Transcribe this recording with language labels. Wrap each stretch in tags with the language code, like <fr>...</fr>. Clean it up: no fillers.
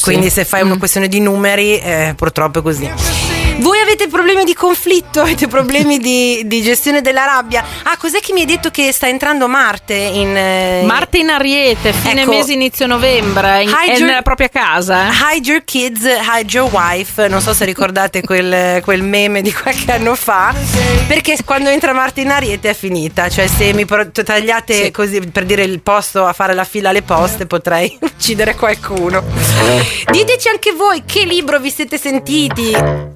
<it>Quindi se fai una questione di numeri, purtroppo è così. Voi avete problemi di conflitto, avete problemi di gestione della rabbia. Ah, cos'è che mi hai detto che sta entrando Marte in... Marte in Ariete, fine mese, inizio novembre, nella propria casa.</it> <en>Hide your kids, hide your wife.</en> <it>Non so se ricordate quel meme di qualche anno fa. Perché quando entra Marte in Ariete è finita. Cioè se mi tagliate sì. così per dire il posto a fare la fila alle poste potrei uccidere qualcuno. Diteci anche voi che libro vi siete sentiti...</it>